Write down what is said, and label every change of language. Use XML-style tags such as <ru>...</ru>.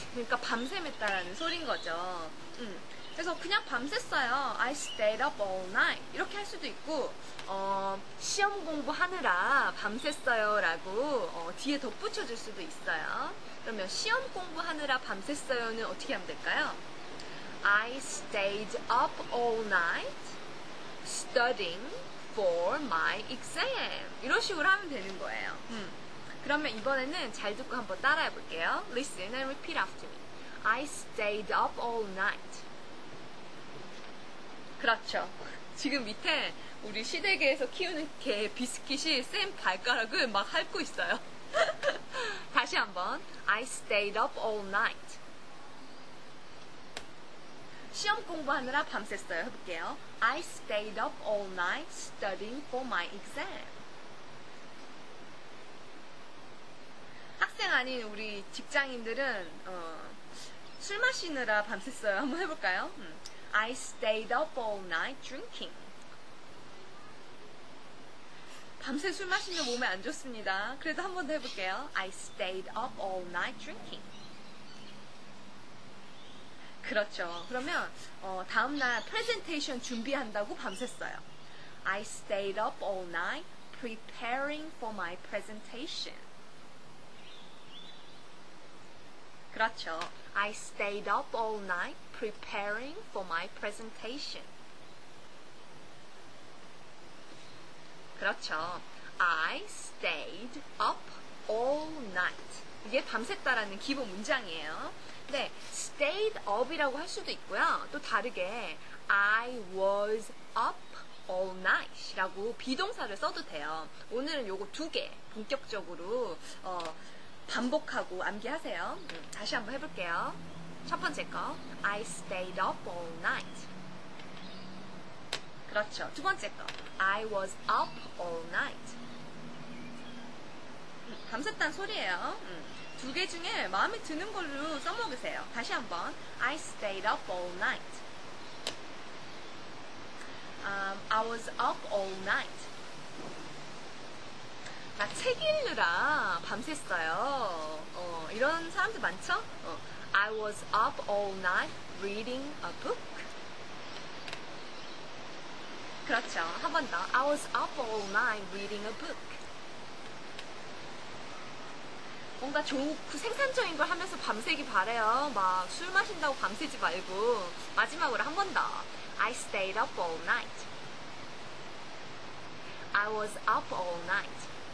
<ko>그러니까 밤샘했다라는 소린거죠. 그래서 그냥 밤샜어요.</ko> <en>I stayed up all night.</en> <ko>이렇게 할 수도 있고 시험 공부하느라 밤샜어요 라고 뒤에 덧붙여줄 수도 있어요. 그러면 시험 공부하느라 밤샜어요는 어떻게 하면 될까요?</ko> <en>I stayed up all night studying for my exam.</en> <ko>이런 식으로 하면 되는 거예요. 그러면 이번에는 잘 듣고 한번 따라해 볼게요.</ko> <en>Listen and repeat after me. I stayed up all night.</en> <ko>그렇죠. 지금 밑에 우리 시댁에서 키우는 개 비스킷이 쌤 발가락을 막 핥고 있어요. 다시 한번.</ko> <en>I stayed up all night.</en> <ko>시험 공부하느라 밤샜어요. 해볼게요.</ko> <en>I stayed up all night studying for my exam.</en> <ko>학생 아닌 우리 직장인들은 술 마시느라 밤샜어요. 한번 해볼까요?</ko> <en>I stayed up all night drinking.</en> <ko>밤새 술 마시면 몸에 안 좋습니다. 그래도 한 번 더 해볼게요.</ko> <en>I stayed up all night drinking.</en> <ko>그렇죠. 그러면 다음날 프레젠테이션 준비한다고 밤샜어요.</ko> <en>I stayed up all night preparing for my presentation.</en> <ko>그렇죠.</ko> <en>I stayed up all night preparing for my presentation.</en> <ko>그렇죠.</ko> <en>I stayed up all night.</en> <ko>이게 밤샜다라는 기본 문장이에요. 네, stayed up이라고 할 수도 있고요. 또 다르게</ko> <en>I was up all night</en> <ko>라고 비동사를 써도 돼요. 오늘은 요거 두 개 본격적으로 반복하고 암기하세요. 다시 한번 해볼게요. 첫 번째 거,</ko> <en>I stayed up all night.</en> <ko>그렇죠. 두 번째 거,</ko> <en>I was up all night.</en> <ko>밤샜단 소리예요. 두 개 중에 마음에 드는 걸로 써먹으세요. 다시 한번,</ko> <en>I stayed up all night. I was up all night.</en> <ko>나 책 읽느라 밤샜어요. 이런 사람들 많죠?</ko> <en>I was up all night reading a book.</en> <ko>그렇죠. 한 번 더.</ko> <en>I was up all night reading a book.</en> <ko>뭔가 좋고 생산적인 걸 하면서 밤새기 바래요. 막 술 마신다고 밤새지 말고. 마지막으로 한 번 더.</ko> <en>I stayed up all night. I was up all night.</en>